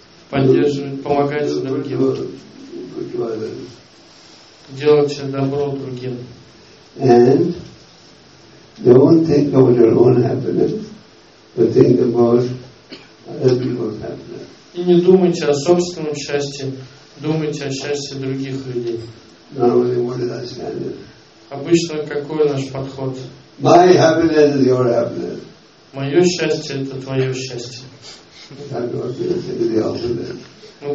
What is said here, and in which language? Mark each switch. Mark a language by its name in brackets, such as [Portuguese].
[Russian] Поддерживать, помогать другим. Делать добро другим. [English] And don't think about your own happiness, but think about other people's happiness. [Russian] И не думайте о собственном счастье, думайте о счастье других людей. [English] Normally, what is our standard? [Russian] Обычно какой наш подход? [English] My happiness is your happiness. [Russian] Мое счастье это твое счастье. Но